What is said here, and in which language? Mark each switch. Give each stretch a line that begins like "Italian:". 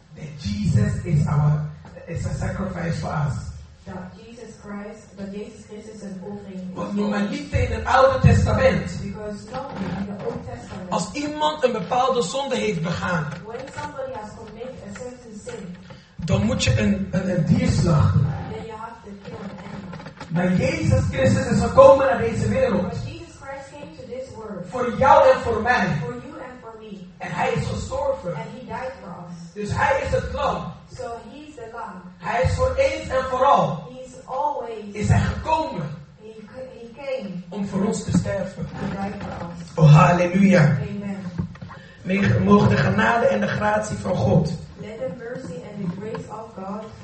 English: that Jesus is our is a sacrifice for us. That Jesus Christ, that Jesus Christ is an offering.
Dutch: Want normaliter in het Oude Testament.
English: Because not in the Old Testament.
Dutch: Als iemand een bepaalde zonde heeft begaan.
English: When somebody has committed a certain sin.
Dutch: Dan moet je een dier slachten.
English: Then you have to kill an animal.
Dutch: Maar Jezus Christus is gekomen naar deze wereld.
English: But Jesus Christ came to this world.
Dutch: Voor jou en voor mij.
English: For you and for me.
Dutch: En hij is gestorven.
English: And he died for us.
Dutch: Dus hij is het lam.
English: So he is the lamb.
Dutch: Hij is voor eens en vooral.
English: He is always.
Dutch: Is hij gekomen?
English: He came.
Dutch: Om voor ons te sterven.
English: He died for us. Oh halleluja. Amen.
Dutch: Mogen de genade en de gratie van God.
English: Let the mercy and the grace of God.